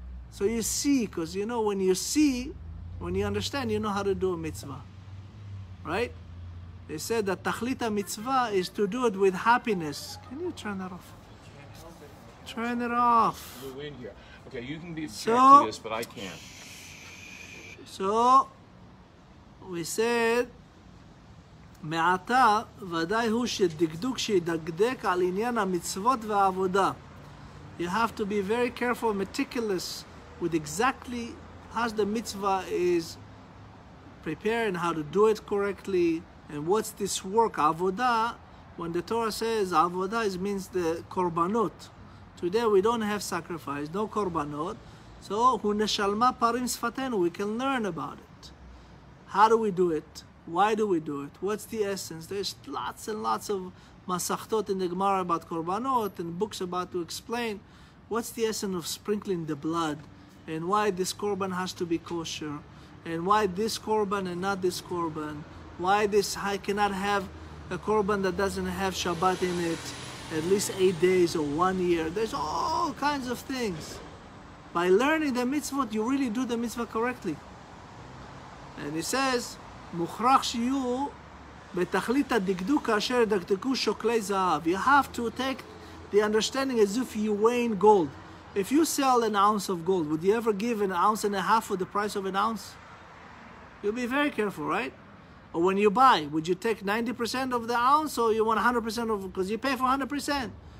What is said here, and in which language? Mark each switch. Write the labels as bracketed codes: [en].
[en] So you see, because you know when you see, when you understand, you know how to do a mitzvah. Right? They said that tachlit mitzvah is to do it with happiness. Can you turn that off? Turn it off. Okay, you can be serious, but I can't. So, we said, [he] מעתה ודאי הוא שדקדוק שידקדק על עניין המצוות והעבודה. [en] You have to be very careful, meticulous, with exactly how the mitzvah is prepared and how to do it correctly. And what's this work, avoda? When the Torah says avoda, it means the korbanot. Today we don't have sacrifice, no korbanot. So hu neshalma parim sfatenu, we can learn about it. How do we do it? Why do we do it? What's the essence? There's lots and lots of masachtot in the Gemara about korbanot and books about to explain what's the essence of sprinkling the blood and why this korban has to be kosher and why this korban and not this korban. Why this, I cannot have a korban that doesn't have Shabbat in it at least 8 days or 1 year. There's all kinds of things. By learning the mitzvot, you really do the mitzvah correctly. And he says, [he] מוכרח שיהיו בתכלית הדקדוק כאשר דקדקו שוקלי זהב. [en] You have to take the understanding as if you weigh gold. If you sell an ounce of gold, would you ever give an ounce and a half for the price of an ounce? You'll be very careful, right? Or when you buy, would you take 90% of the ounce or you want 100% of it because you pay for 100%?